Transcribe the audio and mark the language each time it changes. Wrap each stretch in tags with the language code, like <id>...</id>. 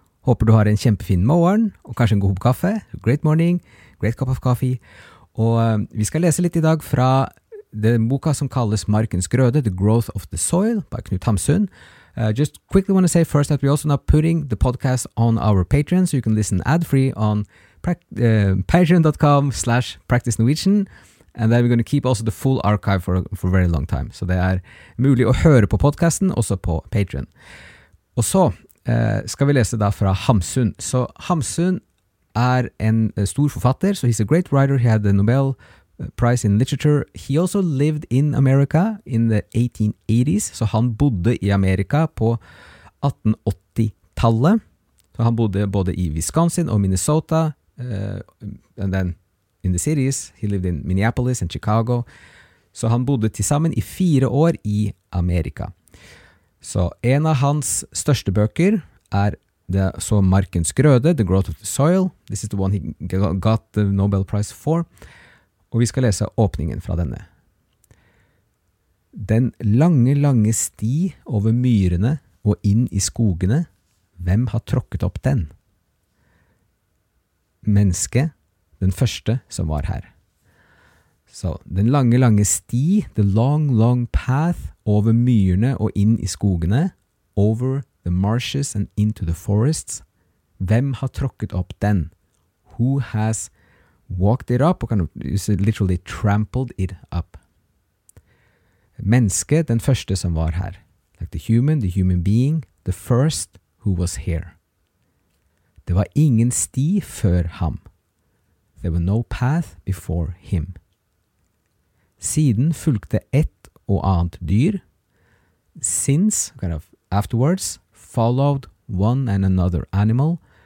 <no>Håper du har en kjempefin morgen, og kanskje en god kaffe.</no> <en>Great morning, great cup of coffee.</en> <no>Og vi skal lese litt I dag fra den boka som kalles Markens Grøde, The Growth of the Soil, by Knut Hamsun.</no> <en>Just quickly want to say first that we're also now putting the podcast on our Patreon, so you can listen ad-free on patreon.com/practicenorwegian. And then we're going to keep also the full archive for a very long time.</en> <no>Så det mulig å høre på podcasten, også på Patreon. Og så skal vi lese da fra Hamsun. Så Hamsun en stor forfatter,</no> <en>so he's a great writer. He had the Nobel Prize in Literature. He also lived in America in the 1880s.</en> <no>Så han bodde I Amerika på 1880-tallet. Så han bodde både I Wisconsin og Minnesota,</no> <en>and then in the cities. He lived in Minneapolis and Chicago.</en> <no>Så han bodde tilsammen I 4 år I Amerika. Så en av hans største bøker så Markens Grøde, The Growth of the Soil.</no> <en>This is the one he got the Nobel Prize for.</en> <no>Og vi skal lese åpningen fra denne. Den lange, lange sti over myrene og inn I skogene, hvem har tråkket opp den? Menneske, den første som var her. Så den lange, lange sti,</no> <en>the long, long path,</en> <no>over myrene og inn I skogene,</no> <en>over the marshes and into the forests,</en> <no>hvem har tråkket opp den?</no> <en>Who has walked it up, or kind of literally trampled it up.</en> <no>Menneske, den første som var her.</no> <en>Like the human being, the first who was here.</en> <no>Det var ingen sti før ham.</no> <en>There were no path before him.</en> <no>Siden fulgte ett og annet dyr.</no> <en>Since, kind of afterwards, followed one and another animal.</en>